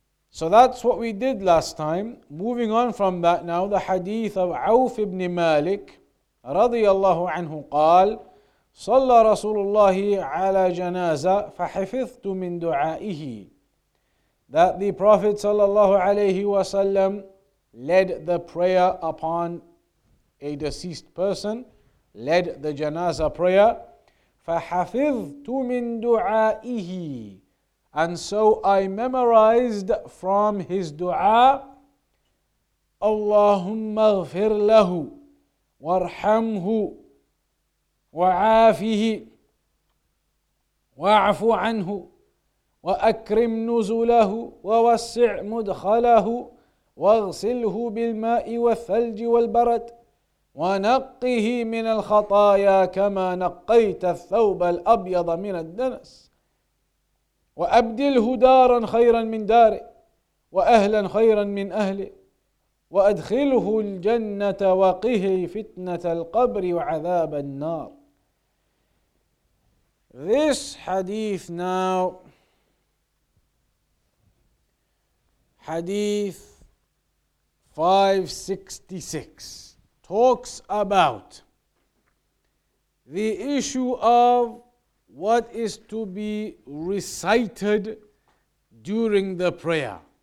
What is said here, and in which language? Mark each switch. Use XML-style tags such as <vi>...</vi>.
<en>So that's what we did last time. Moving on from that now, the hadith of Awf ibn Malik, radiyallahu anhu, qal,</en> <ar>صلى رسول الله على جنازة فحفظت من دعائه.</ar> <en>That the Prophet sallallahu alayhi wa sallam led the prayer upon a deceased person, led the janazah prayer.</en> <ar>فَحَفِظْتُ مِن دُعَائِهِ,</ar> <en>and so I memorized from his dua,</en> <ar>اللَّهُمَّ اغْفِرْ لَهُ وَارْحَمْهُ وَعَافِهِ وَاعْفُ عَنْهُ وَأَكْرِمْ نُزُلَهُ وَوَسِّعْ مُدْخَلَهُ وَاغْسِلْهُ بِالْمَاءِ وَالثَّلْجِ وَالْبَرَدِ ونقه من الخطايا كما نقيت الثوب الأبيض من الدنس وأبدله دارا خيرا من داره وأهلا خيرا من أهله وأدخله الجنة وقه فتنة القبر وعذاب النار.</ar> <en>This hadith now, hadith 566, talks about the issue of what is to be recited during the prayer.</en>